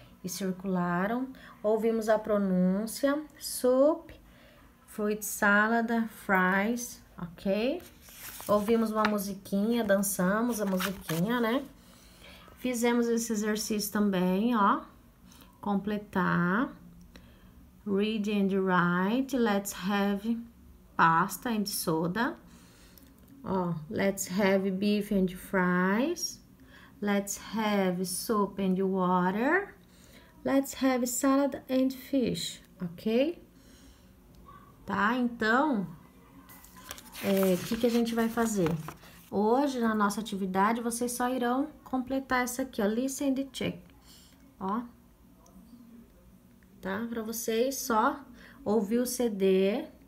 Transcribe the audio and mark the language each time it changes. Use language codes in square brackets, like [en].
[pt] E circularam. Ouvimos a pronúncia: [en] soup, fruit salad, fries, ok? [pt] Ouvimos uma musiquinha, dançamos a musiquinha, né? Fizemos esse exercício também, ó. [en] Completar. Read and write. Let's have pasta and soda. Ó, let's have beef and fries. Let's have soup and water. Let's have salad and fish, ok? [pt] Tá? Então, que a gente vai fazer? Hoje, na nossa atividade, vocês só irão completar essa aqui, ó. [en] Listen and check. Ó. Tá? [pt] Pra vocês só ouvir o CD.